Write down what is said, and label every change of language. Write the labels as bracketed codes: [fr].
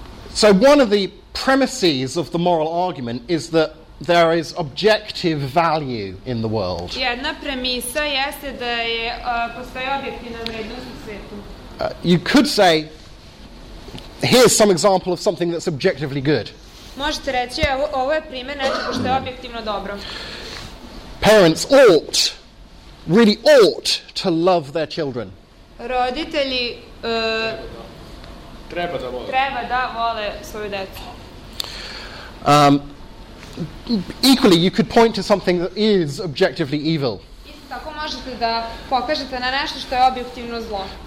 [en] So one of the premises of the moral argument is that there is objective value in the world. [sr] Jedna premisa jeste da je postoji objektivna vrednost u svetu. [en] You could say, here's some example of something that's objectively good. [sr] Možete reći, ovo je primjer nečega što je objektivno dobro. [en] Parents ought, really ought, to love their children. [sr] Roditelji treba da vole svoju decu. [en] Equally, you could point to something that is objectively evil. [sr] Tako možete da pokažete na nešto što je objektivno zlo.